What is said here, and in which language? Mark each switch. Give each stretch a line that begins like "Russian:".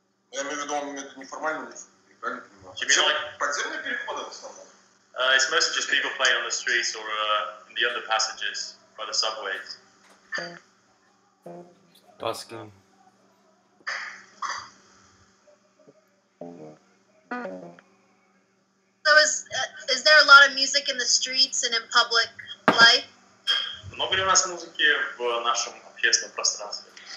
Russian: Я имею в виду, он имеет неформальный музыку, правильно понимаю? Подземные переходы в основном?
English: It's mostly just people playing on the streets or in the under passages by the subways. Busking. So is there a lot of music in the streets and in public life?
Russian: Много ли у нас музыки в нашем общественном пространстве?